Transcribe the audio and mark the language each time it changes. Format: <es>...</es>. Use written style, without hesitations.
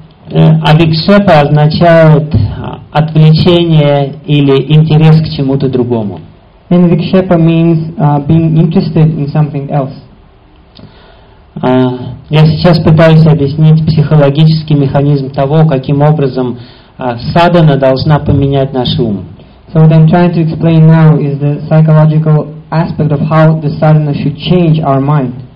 <ru>Avikshepa означает отвлечение или интерес к чему-то другому.</ru> <en>And vikshepa means being interested in something else.</en> <ru>Я сейчас пытаюсь объяснить психологический механизм того, каким образом садхана должна поменять наш ум.</ru> <en>So what I'm trying to explain now is the psychological aspect of how the sadhana should change our mind.</en>